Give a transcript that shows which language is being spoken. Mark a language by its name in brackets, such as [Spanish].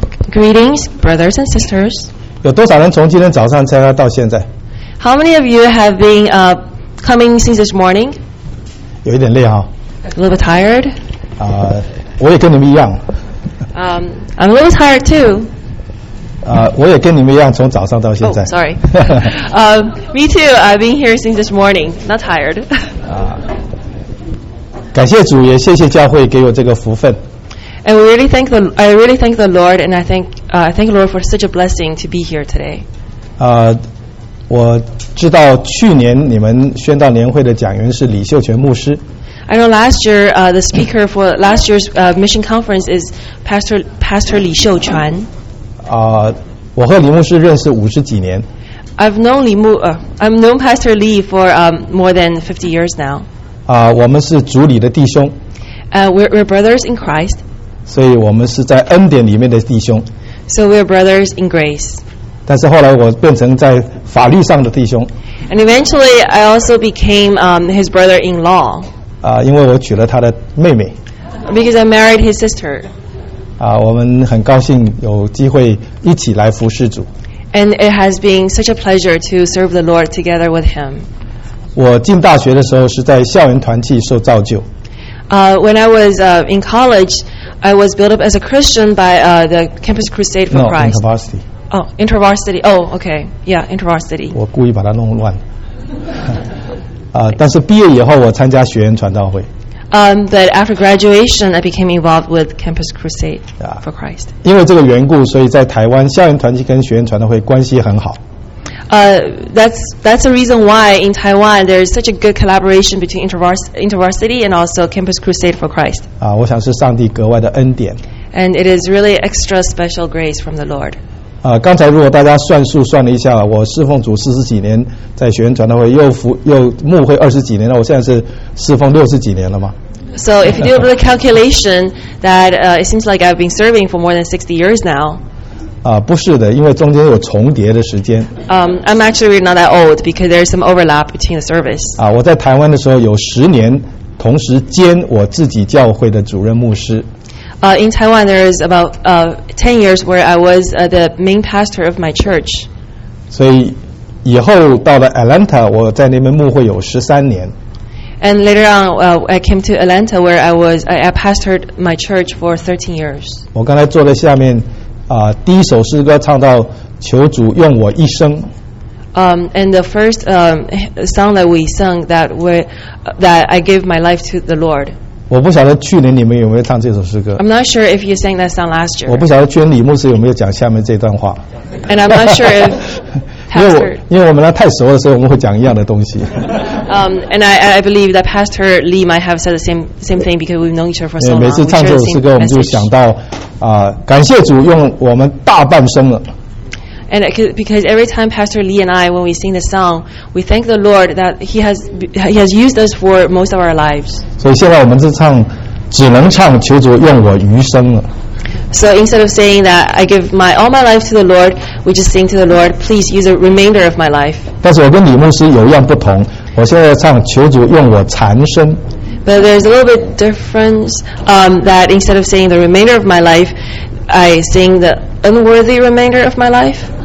[English] Greetings, brothers and sisters. [Chinese] 有多少人从今天早上参加到现在？ [English] How many of you have been coming since this morning? [Chinese] 有一点累哈。 [English] A little bit tired. [Chinese] 我也跟你们一样。 [English] I'm a little tired too. [Chinese] 我也跟你们一样从早上到现在。 [English] Oh, sorry. me too. I've been here since this morning. Not tired. [Chinese] 感谢主，也谢谢教会给我这个福分。 [English] And we really thank the, Lord, and I thank the Lord for such a blessing to be here today. [Chinese] 我知道去年你们宣道年会的讲员是李秀全牧师。 [English] I know last year, the speaker for last year's mission conference is Pastor 李秀全。 [Chinese] 我和李牧师认识五十几年。 [English] I've known Pastor Lee for more than 50 years now. [Chinese] 我们是主里的弟兄。 [English] We're brothers in Christ. [Chinese] 所以我们是在恩典里面的弟兄。 [English] So we're brothers in grace. [Chinese] 但是后来我变成在法律上的弟兄。 [English] And eventually, I also became his brother-in-law. [Chinese] 因为我娶了他的妹妹。 [English] Because I married his sister. [Chinese] 我们很高兴有机会一起来服侍主。 [English] And it has been such a pleasure to serve the Lord together with him. [Chinese] 我进大学的时候是在校园团契受造就。 [English] When I was in college, I was built up as a Christian by the Campus Crusade for Christ. No, InterVarsity. Oh, InterVarsity. Oh, okay. Yeah, InterVarsity. [Chinese] 我故意把它弄乱。但是毕业以后我参加学员传道会。 [English] But after graduation, I became involved with Campus Crusade for Christ. [Chinese] 因为这个缘故，所以在台湾校园团契跟学员传道会关系很好。 [English] That's the reason why in Taiwan there is such a good collaboration between InterVarsity and also Campus Crusade for Christ. [Chinese] 我想是上帝格外的恩典。 [English] And it is really extra special grace from the Lord. [Chinese] 刚才如果大家算数算了一下，我侍奉主四十几年，在学员传道会又牧会二十几年了，我现在是侍奉六十几年了嘛。 [English] So if you do a little calculation, that it seems like I've been serving for more than 60 years now. [Chinese] 不是的，因为中间有重叠的时间。 [English] I'm actually not that old because there's some overlap between the service. [Chinese] 我在台湾的时候有十年同时兼我自己教会的主任牧师。 [English] In Taiwan, there is about 10 years where I was the main pastor of my church. [Chinese] 所以以后到了 Atlanta, 我在那边牧会有13年。 [English] And later on, I came to Atlanta where I pastored my church for 13 years. [Chinese] 我刚才坐在下面，第一首诗歌唱到求主用我一生。 [English] And the first song that we sung that I gave my life to the Lord. [Chinese] 我不晓得去年你们有没有唱这首诗歌。 [English] I'm not sure if you sang that song last year. [Chinese] 我不晓得去年李牧师有没有讲下面这段话。 [English] And I'm not sure if. [Chinese] 因为我们俩太熟了，所以我们会讲一样的东西。 [English] And I believe that Pastor Lee might have said the same thing because we've known each other for so long. [Chinese] 每次唱这首诗歌，我们就想到感谢主用我们大半生了。 [English] And because every time Pastor Lee and I, when we sing the song, we thank the Lord that He has used us for most of our lives. [Chinese] 所以现在我们是唱，只能唱求主用我余生了。 [English] So instead of saying that I give all my life to the Lord, we just sing to the Lord, please use the remainder of my life. [Chinese] 但是我跟李牧师有一样不同，我现在唱求主用我残生。 [English] But there's a little bit difference that instead of saying the remainder of my life, I sing the unworthy remainder of my life.